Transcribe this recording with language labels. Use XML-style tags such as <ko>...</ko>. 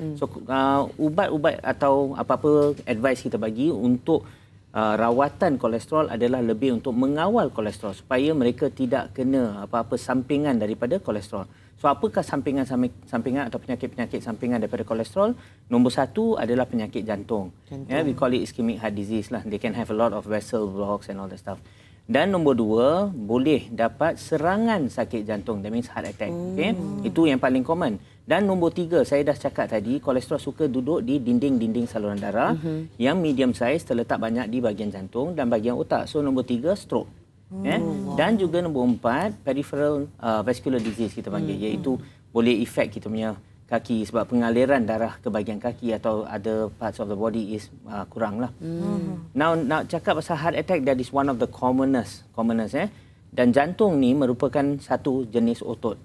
<ms>So, ubat-ubat atau apa-apa advice kita bagi untuk rawatan kolesterol adalah lebih untuk mengawal kolesterol supaya mereka tidak kena apa-apa sampingan daripada kolesterol. So, apakah sampingan-sampingan atau penyakit-penyakit sampingan daripada kolesterol? Nombor satu adalah penyakit jantung.</ms> <en>Yeah, we call it ischemic heart disease lah. They can have a lot of vessel blocks and all that stuff.</en> <ms>Dan nombor dua, boleh dapat serangan sakit jantung.</ms> <en>That means heart attack. Okay?</en> <ms>Itu yang paling common. Dan nombor tiga, saya dah cakap tadi, kolesterol suka duduk di dinding-dinding saluran darah yang medium size, terletak banyak di bahagian jantung dan bahagian otak. So, nombor tiga, stroke. Dan juga nombor empat, peripheral vascular disease kita panggil. Iaitu boleh efek kita punya kaki sebab pengaliran darah ke bahagian kaki atau</ms> <en>other parts of the body is</en> <ms>kurang lah.</ms> <en>Now</en> <ms>cakap pasal</ms> <en>heart attack, that is one of the commonest.</en> <ms>Dan jantung ni merupakan satu jenis otot.</ms>